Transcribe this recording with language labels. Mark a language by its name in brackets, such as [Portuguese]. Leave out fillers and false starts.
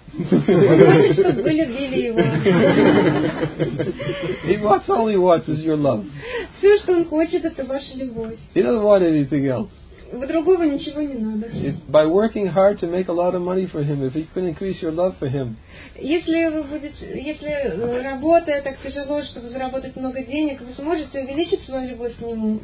[English] He wants all he wants is your love. [Russian] Все, что он хочет, это ваша любовь. [English] He doesn't want anything else. [Russian] Другого ничего не надо. [English] By working hard to make a lot of money for him, if he could increase your love for him. [Russian] Если работая так тяжело, чтобы заработать много денег, вы сможете увеличить свою любовь к нему.